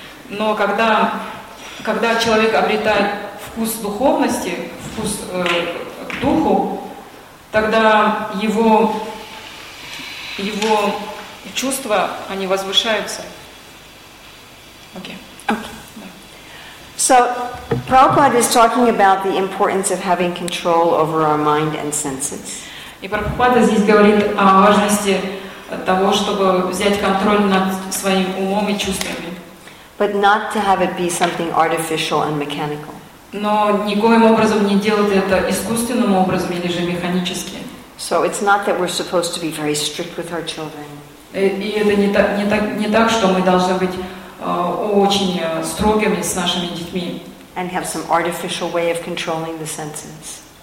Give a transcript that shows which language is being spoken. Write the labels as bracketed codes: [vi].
[ru] Но когда человек обретает вкус духовности, вкус к духу, тогда его чувства, они возвышаются. [en] Okay. Okay. Yeah. So, Prabhupada is talking about the importance of having control over our mind and senses. [ru] И Прабхупада здесь говорит о важности того, чтобы взять контроль над своим умом и чувствами. [en] But not to have it be something artificial and mechanical. [ru] Но никоим образом не делать это искусственным образом или же механически. [en] So it's not that we're supposed to be very strict with our children. [ru] И это не так, что мы должны быть очень строгими с нашими детьми. [en] And have some artificial way of controlling the senses.